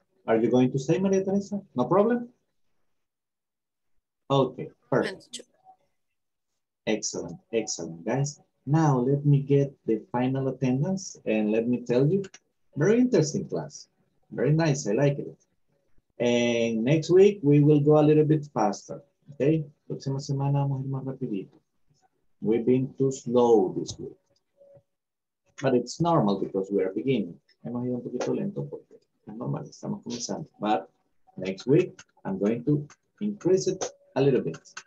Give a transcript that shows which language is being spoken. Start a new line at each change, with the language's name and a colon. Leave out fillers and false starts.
English: Are you going to stay, Maria Teresa? No problem? Okay, perfect. Excellent, excellent, guys. Now let me get the final attendance and let me tell you, very interesting class. Very nice, I like it. And next week we will go a little bit faster.
Spanish: Okay, próxima semana vamos a ir más rapidito.
English: We've been too slow this week. But it's normal because we are beginning.
Spanish: Hemos ido un poquito lento porque es normal, estamos comenzando.
English: But next week, I'm going to increase it a little bit.